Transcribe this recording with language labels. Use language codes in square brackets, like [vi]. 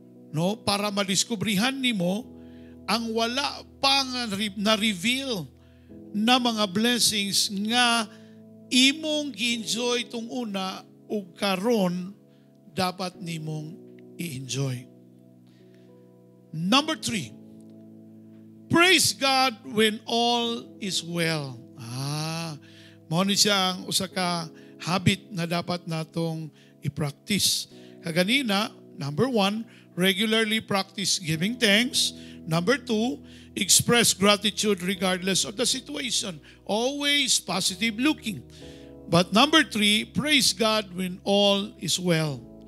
[ceb] No, para madiskubrihan nimo ang wala pang na-reveal na mga blessings nga imong gi-enjoy tung una ug karon dapat nimong i-enjoy. [en] Number 3. Praise God when all is well. [ceb] Mahunin siya ang usa ka habit na dapat natong i-practice. [en] Kaganina, number 1, regularly practice giving thanks. Number 2, express gratitude regardless of the situation. Always positive looking. But number 3, praise God when all is well.